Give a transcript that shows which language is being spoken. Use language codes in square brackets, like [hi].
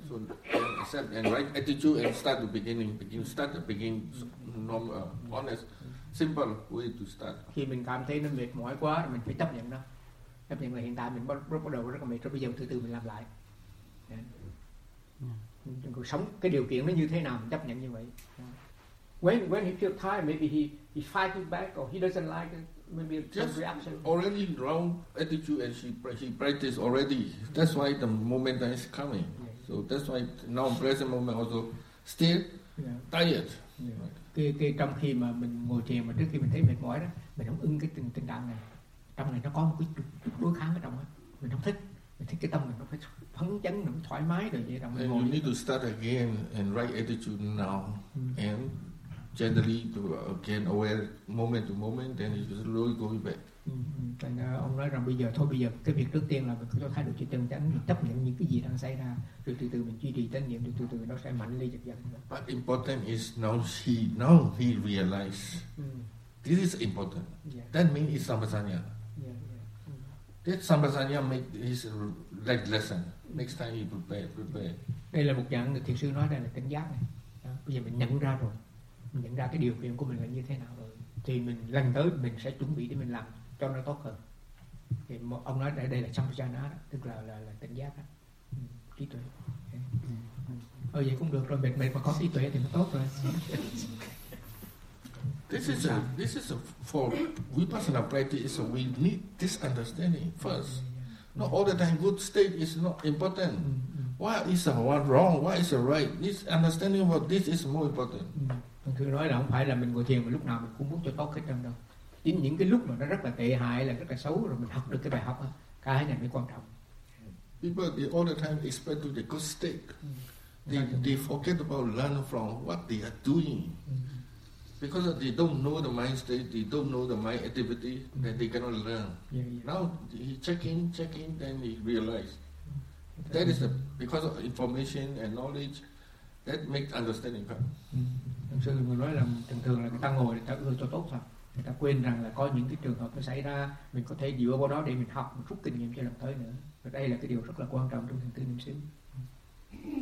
[en] So accept and right attitude and start the beginning. Honest, simple way to start. [vi] Khi mình cảm thấy nó mệt mỏi quá, mình phải chấp nhận nó. Chấp nhận là hiện tại mình bắt đầu rất là mệt, rồi bây giờ từ từ mình làm lại. Yeah. Yeah. Sống cái điều kiện nó như thế nào, mình chấp nhận như vậy. [en] When he feel tired, maybe he fight it back, or he doesn't like it, maybe just reaction. Already wrong attitude, and she practice already. That's why the moment is coming. Yeah. So that's why now present moment also still tired. Yeah. [vi] Cái trong khi mà mình ngồi thiền, mà trước khi mình thấy mệt mỏi đó, mình không ưng cái tình trạng này. Trong này nó có một cái đối kháng ở trong đó, mình không thích. Mình thích cái tâm mình nó phải phấn chấn, nó thoải mái rồi vậy. [en] And you need to start again and right attitude now and generally to again aware moment to moment, then it's slowly going back. [vi] Thành ông nói rằng bây giờ cái việc trước tiên là mình có thay đổi chân chánh, mình chấp nhận những cái gì đang xảy ra, rồi từ từ mình duy trì chánh niệm, rồi từ từ nó sẽ mạnh lên dần dần. [en] But important is now he realize this is important. Yeah. That means it's samasanya. Yeah, yeah. That samasanya make his right lesson. Next time he prepare. [vi] Đây là một dạng thiền sư nói, đây là cảnh giác này. Bây giờ mình nhận ra rồi. Mình nhận ra cái điều kiện của mình là như thế nào rồi, thì mình lần tới mình sẽ chuẩn bị để mình làm cho nó tốt hơn. Thì ông nói đây là samajana, tức là tỉnh giác đó. Trí tuệ. Vậy cũng được rồi, mệt mà có trí tuệ thì nó tốt rồi. [en] This is a for vipassana practice is we need this understanding first. Not all the time good state is not important. Why is a what wrong, why is a right, this understanding of this is more important. [vi] Thường thường nói là không phải là mình ngồi thiền mà lúc nào mình cũng muốn cho tốt hết trơn đâu. Chính những cái lúc mà nó rất là tệ hại, là rất là xấu, rồi mình học được cái bài học đó, cái này mới quan trọng. [en] People, they all the time expect to the good state. They forget about learn from what they are doing. Because they don't know the mind state, they don't know the mind activity, then they cannot learn. Now, he check in, then he realize. That is because of information and knowledge, that makes understanding come. [vi] Sư người nói là thường thường là người ta ngồi người ta ưa cho tốt thôi, người ta quên rằng là có những cái trường hợp nó xảy ra, mình có thể dựa vào đó để mình học, mình rút kinh nghiệm cho lần tới nữa. Và đây là cái điều rất là quan trọng trong thiền tư niệm xứ.